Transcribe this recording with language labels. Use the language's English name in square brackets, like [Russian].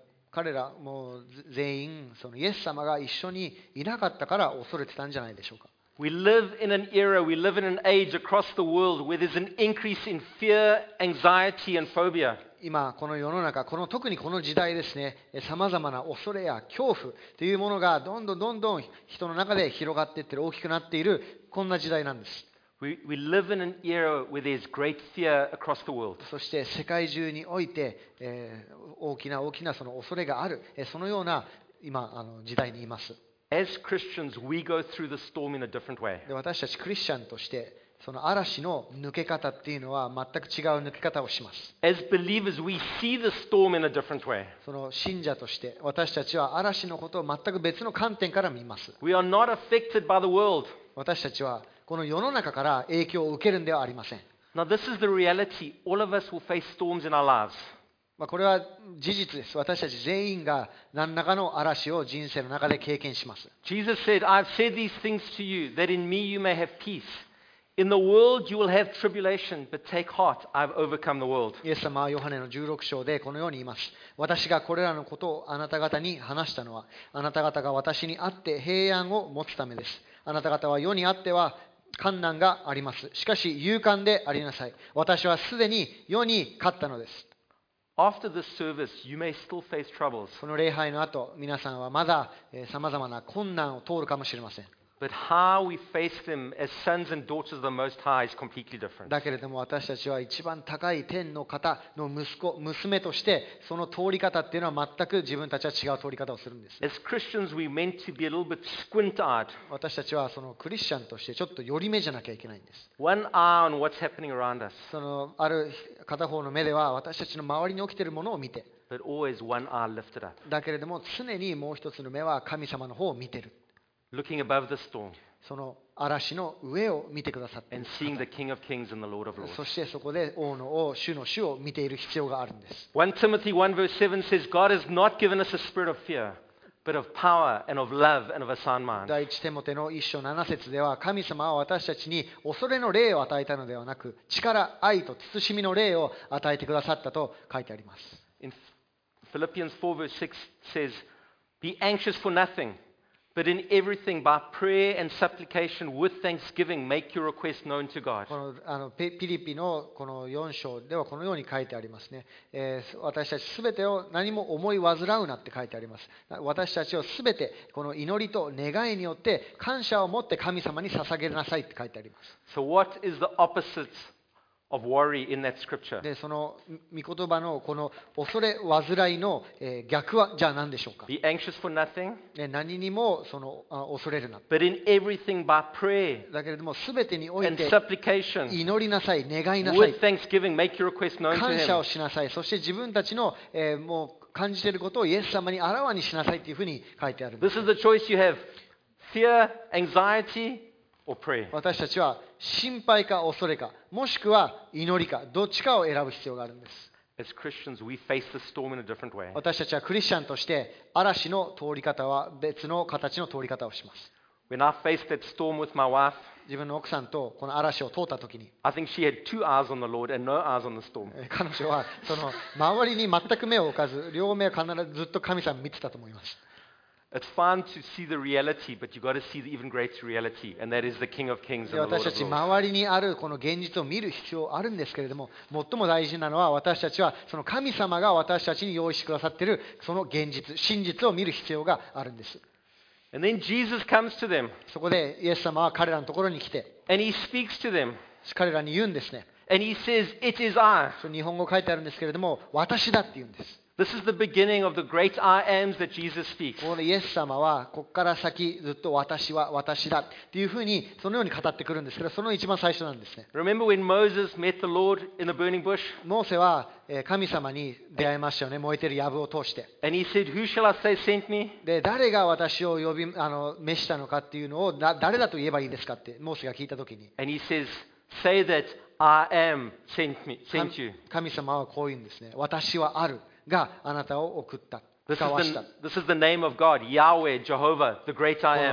[Japanese] 彼らも全員そのイエス様が一緒にいなかったから恐れてたんじゃないでしょうか。 [English] We live in an era, we live in an age across the world where there's an increase in fear, anxiety, and phobia. [Japanese] 今この世の中、この特にこの時代ですね、さまざまな恐れや恐怖というものがどんどんどんどん人の中で広がっていってる、大きくなっているこんな時代なんです。 [English] We live in an era where there's great fear across the world. [Japanese] そして世界中において、大きな大きなその恐れがある、そのような今時代にいます。 [English] As Christians, we go through the storm in a different way. [Japanese] で、私たちクリスチャンとしてその嵐の抜け方っていうのは全く違う抜け方をします。 [English] As believers, we see the storm in a different way. [Japanese] その信者として私たちは嵐のことを全く別の観点から見ます。 [English] We are not affected by the world. [Japanese] 私たちはこの世の中から影響を受けるんではありません。 [English] Now this is the reality. All of us will face storms in our lives. [Japanese] まあ、これは事実です。私たち全員が何らかの嵐を人生の中で経験します。 [English] Jesus said, I've said these things to you, that in me you may have peace. In the world you will have tribulation, but take heart, I've overcome the world. [Japanese] イエス様はヨハネの16章でこのように言います。私がこれらのことをあなた方に話したのは、あなた方が私にあって平安を持つためです。あなた方は世にあっては困難があります。しかし勇敢でありなさい。私はすでに世に勝ったのです。 [English] After this service, you may still face troubles. [Japanese] この礼拝の後、皆さんはまださまざまな困難を通るかもしれません。 [English] But how we face them as sons and daughters of the Most High is completely different. [Japanese] だけれども私たちは一番高い天の方の息子娘としてその通り方っていうのは全く自分たちは違う通り方をするんです。 [English] As Christians, we meant to be a little bit squint-eyed. [Japanese] 私たちはそのクリスチャンとしてちょっと寄り目じゃなきゃいけないんです。 [English] One eye on what's happening around us. [Japanese] そのある片方の目では私たちの周りに起きているものを見て。 [English] But always one eye lifted up. [Japanese] だけれども常にもう一つの目は神様の方を見てる。 [English] Looking above the storm, [Japanese] その嵐の上を見てくださって [English] and seeing the King of Kings and the Lord of Lords. [Japanese] そしてそこで王の王、主の主を見ている必要があるんです。 [English] 1 Timothy 1 verse 7 says, God has not given us a spirit of fear, but of power and of love and of a sound mind. [Japanese] 第一テモテの1章7節では、神様は私たちに恐れの霊を与えたのではなく、力、愛と慎みの霊を与えてくださったと書いてあります。 [English] In Philippians 4 verse 6 says, Be anxious for nothing. But in everything, by prayer and supplication with thanksgiving, make your request known to God. [Japanese] このあのピリピのこの4章ではこのように書いてありますね。私たちすべてを何も思い煩うなって書いてあります。私たちをすべてこの祈りと願いによって感謝を持って神様に捧げなさいって書いてあります。 [English] So what is the opposite of worry in that scripture? [Japanese] でその御言葉のこの恐れ煩いの逆はじゃあ何でしょうか。 [English] Be anxious for nothing. [Japanese] 何にもその恐れるな。 [English] But in everything by prayer. [Japanese] だけれどもすべてにおいて。 [English] And supplication. [Japanese] 祈りなさい、願いなさい。 [English] With thanksgiving, make your request known to him. [Japanese] 感謝をしなさい。そして自分たちの、もう感じていることをイエス様にあらわにしなさいというふうに書いてあるんです。 [English] This is the choice you have: fear, anxiety. Or pray. [Japanese] 私たちは心配か恐れかもしくは祈りかどっちかを選ぶ必要があるんです。 [English] As Christians, we face the storm in a different way. [Japanese] 私たちはクリスチャンとして嵐の通り方は別の形の通り方をします。 [English] When I faced that storm with my wife, [Japanese] 自分の奥さんとこの嵐を通った時に [English] I think she had two eyes on the Lord and no eyes on the storm. [Japanese] 彼女はその周りに全く目を置かず両目は必ずずっと神様を見てたと思います。 [English] It's fine to see the reality, but you've got to see the even greater reality, and that is the King of Kings and the Lord of Lords. [Japanese] 私たち周りにあるこの現実を見る必要あるんですけれども、最も大事なのは私たちはその神様が私たちに用意してくださっているその現実、真実を見る必要があるんです。 [English] And then Jesus comes to them. [Japanese] そこでイエス様は彼らのところに来て、 [English] And he speaks to them. [Japanese] 彼らに言うんですね。 [English] And he says, "It is I." [Japanese] その日本語書いてあるんですけれども、私だって言うんです。 [English] This is the beginning of the great I ams that Jesus speaks. [Japanese] このイエス様はここから先ずっと私は私だというふうにそのように語ってくるんですけど、その一番最初なんですね。 [English] Remember when Moses met the Lord in the burning bush? [Japanese] モーセは神様に出会いましたよね、燃えている藪を通して。 [English] And he said, "Who shall I say sent me?" [Japanese] で誰が私を呼び召したのかっていうのを誰だと言えばいいですかってモーセが聞いたときに。 [English] And he says, "Say that I am sent you." [Japanese] 神様はこう言うんですね、私はある。があなたを送った、遣わした。 [English] This is the name of God, Yahweh, Jehovah, the Great I Am.